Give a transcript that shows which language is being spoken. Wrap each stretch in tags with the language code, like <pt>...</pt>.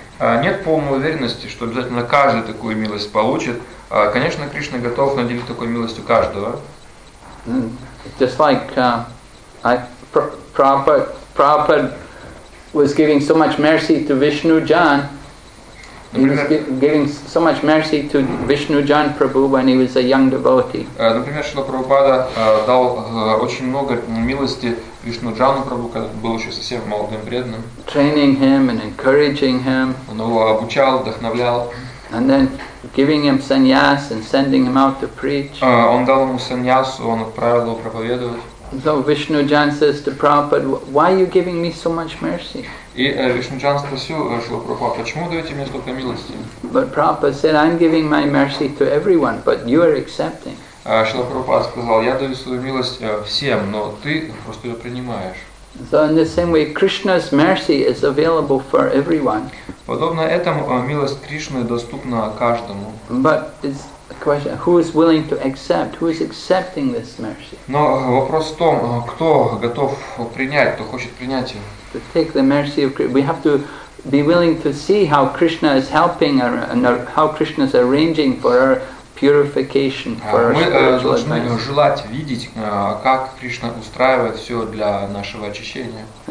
<ru>Нет полной уверенности, что обязательно каждый такую милость получит. Конечно, Кришна готов наделить такой милостью каждого.</ru> <en>Just like Prabhupada was giving so much mercy to Vishnu Jan. He was giving so much mercy to Vishnu Jan Prabhu when he was a young devotee.</en> <ru>Например, Шрила Прабхупада дал очень много милости Вишну Джану Прабху, когда был еще совсем молодым преданным.</ru> <en>Training him and encouraging him.</en> <ru>Он его обучал, вдохновлял.</ru> <en>And then giving him sannyas and sending him out to preach.</en> <ru>Он дал ему саньясу, он отправил его проповедовать.</ru> <en>So Vishnu Jan says to Prabhupada, "Why are you giving me so much mercy?"</en> <ru>И Вишну Джан спросил Шрила Прабхупада, почему даете мне столько милости?</ru> <en>But Prabhupada said, I'm giving my mercy to everyone, but you are accepting.</en> <ru>Шрила Прабхупада сказал, я даю свою милость всем, но ты просто ее принимаешь.</ru> <en>So in the same way, Krishna's mercy is available for everyone.</en> <ru>Подобно этому, милость Кришны доступна каждому.</ru> <en>But it's a question, who is willing to accept? Who is accepting this mercy?</en> <ru>Но вопрос в том, кто готов принять, кто хочет принять ее.</ru> <en>To take the mercy of Krishna, we have to be willing to see how Krishna is helping our, and our, how Krishna is arranging for our purification, for our spiritual advancement.</en> <ru>Мы должны желать видеть, как Кришна устраивает все для нашего очищения.</ru>